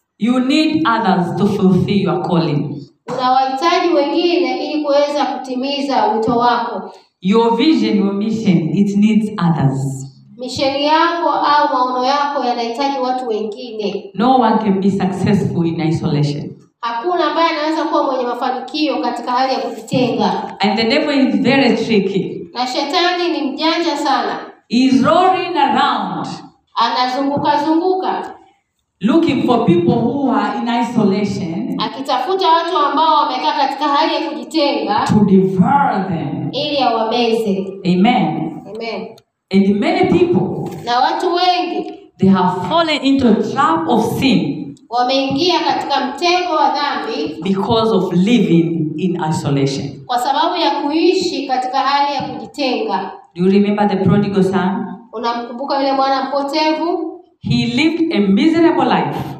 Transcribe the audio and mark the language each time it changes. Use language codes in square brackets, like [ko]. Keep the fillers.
[en] You need others to fulfill your calling. [sw] Unawahitaji wengine ili kuweza kutimiza wito wako. [en] Your vision, your mission, it needs others. [sw] Misheni yako au maono yako yanahitaji watu wengine. [en] No one can be successful in isolation. [sw] Hakuna ambaye anaweza kuwa mwenye mafanikio katika hali ya kujitenga. [en] And the devil is very tricky. [sw] Na shetani ni mjanja sana. [en] He is roaring around. [sw] Anazunguka zunguka. [en] Looking for people who are in isolation. [sw] Akitafuta watu ambao wamekaa katika hali ya kujitenga. To [en] devour them [sw] ili awameze. [en] Amen. Amen. And many people [sw] na watu wengi [en] they have fallen into a trap of sin [sw] wameingia katika mtego wa dhambi [en] because of living in isolation [sw] kwa sababu ya kuishi katika hali ya kujitenga. [en] Do you remember the prodigal son? [sw] Unamkumbuka yule mwana mpotevu? [en] He lived a miserable life